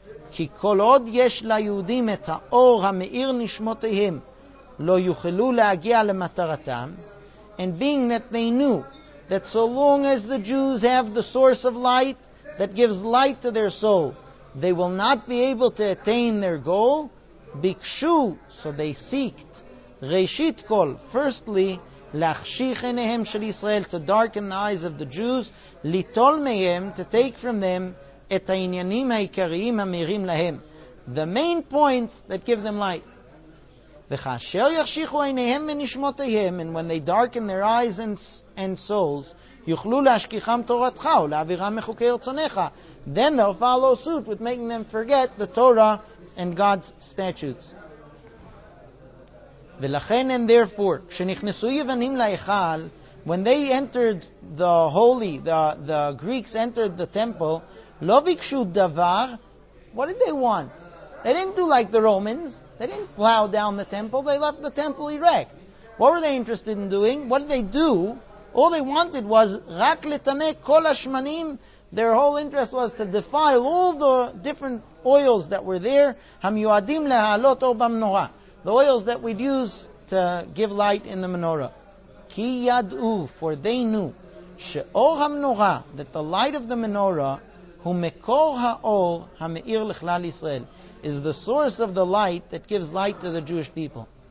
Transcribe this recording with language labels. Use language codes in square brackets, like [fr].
[he] כי כל עוד יש ליהודים את האור המאיר נשמותיהם לא יוכלו להגיע למטרתם. [en] And being that they knew that so long as the Jews have the source of light that gives light to their soul, they will not be able to attain their goal, [he] ביקשו, [en] so they seeked, [he] ראשית כל, [en] firstly, [he] להחשיך עיניהם של ישראל, [en] to darken the eyes of the Jews, [he] ליטול מהם, [en] to take from them, [he] את העניינים העיקריים המהירים להם, [en] the main points that give them light. [he] וכאשר יחשיכו עיניהם ונשמותיהם, [en] and when they darken their eyes and souls, [he] יוכלו להשכיחם תורתך ולהעבירם מחוקי רצונך. [en] Then they'll follow suit with making them forget the Torah and God's statutes. [he] ולכן, [en] and therefore, [he] כשנכנסו יוונים להיכל, [en] when they entered the holy, the Greeks entered the temple, [he] לא ביקשו דבר. [en] What did they want? They didn't do like the Romans. They didn't plow down the temple. They left the temple erect. What were they interested in doing? What did they do? All they wanted was [he] רק לטמא כל השמנים. [en] Their whole interest was to defile all the different oils that were there. [he] המיועדים להעלות אור במנורה. [en] The oils that we'd use to give light in the menorah. [he] כי ידעו, [en] for they knew, [he] שאור המנורה, [en] that the light of the menorah, who [he] mekor ha'or ha'meir lechlal Yisrael, [en] is the source of the light that gives light to the Jewish people.